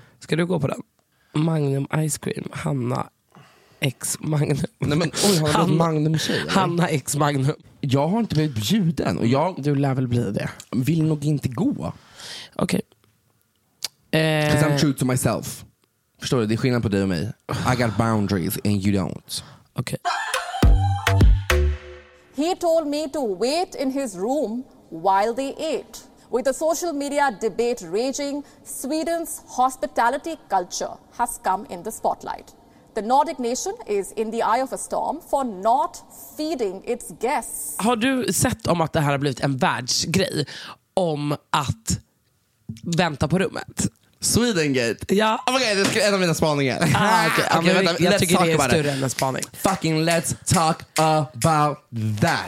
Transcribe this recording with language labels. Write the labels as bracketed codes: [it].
[sv] Ska du gå på den? Magnum ice cream, Hanna X Magnum. Nej, men oj, har Hanna, Magnum tjej, Hanna X Magnum. Jag har inte blivit bjuden och jag, du lär väl bli det. Vill nog inte gå. Okej. [en] Okay. Cause I'm true to myself. [sv] Förstår du, det är skillnad på dig och mig. [en] I got boundaries and you don't. [sv] Okej. [en] Okay. He told me to wait in his room while they ate. With the social media debate raging, Sweden's hospitality culture has come in the spotlight. The Nordic nation is in the eye of a storm for not feeding its guests. [sv] Har du sett om att det här har blivit en världsgrej om att vänta på rummet? [en] Swedengate. [sv] Ja. [en] Oh my god, [sv] det är en av mina spaningar. [en] Okay, okay, [sv] vänta, jag tycker det är större än en spaning. [en] Fucking let's talk about that.